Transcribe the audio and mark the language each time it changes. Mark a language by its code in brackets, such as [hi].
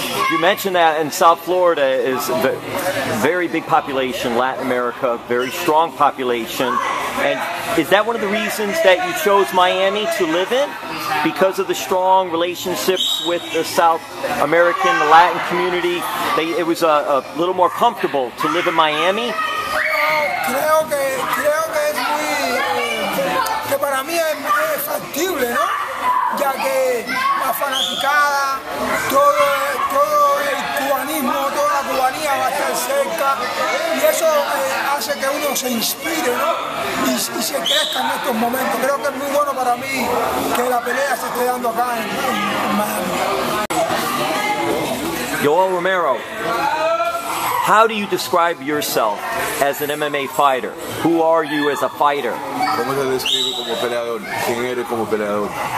[en] You mentioned that in South Florida is a very big population, Latin America, very strong population. And is that one of the reasons that you chose Miami to live in? Because of the strong relationships with the South American, the Latin community, it was a little more comfortable to live in Miami? [es] Creo que es muy, que para mí es muy factible, ¿no? Ya que la fanaticada, todo el cubanismo, toda la cubanía va a estar cerca. Y eso hace que uno se inspire, ¿no? Y se crezca en estos momentos. Creo que es muy bueno para mí que la pelea se esté dando acá en Miami. [en] Yoel Romero, how do you describe yourself as an MMA fighter? Who are you as a fighter? [es] ¿Cómo te describes como peleador? ¿Quién eres como peleador?